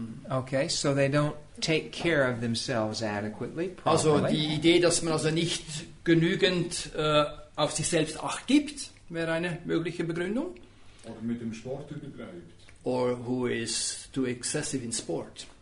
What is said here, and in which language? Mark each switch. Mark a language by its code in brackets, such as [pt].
[en] Okay, so they don't take care of themselves adequately. [de] Also die Idee, dass man also nicht genügend auf sich selbst Acht gibt, wäre eine mögliche Begründung. Oder mit dem Sport übertreibt. [en] Or who is too excessive in sport.